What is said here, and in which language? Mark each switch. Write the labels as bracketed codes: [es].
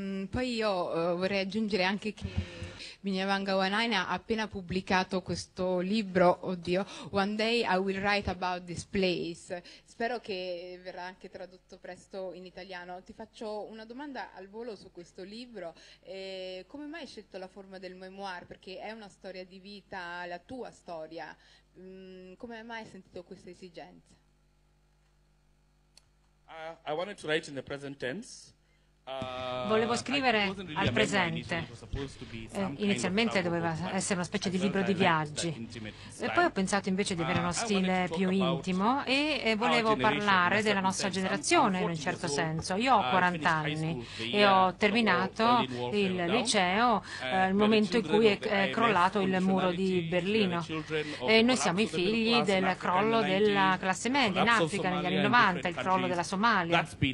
[it] Poi io vorrei aggiungere anche che Binyavanga Wanaina ha appena pubblicato questo libro, oddio, One Day I Will Write About This Place. Spero che verrà anche tradotto presto in italiano. Ti faccio una domanda al volo su questo libro. Come mai hai scelto la forma del memoir? Perché è una storia di vita, la tua storia. Come mai hai sentito questa esigenza? [en] I wanted to write in the present tense. [it] Volevo scrivere al presente, inizialmente doveva essere una specie di libro di viaggi, poi ho pensato invece di avere uno stile più intimo e volevo parlare della nostra generazione in un certo senso. Io ho 40 anni e ho terminato il liceo il momento in cui è crollato il muro di Berlino e noi siamo i figli del crollo della classe media in Africa negli anni 90, il crollo della Somalia.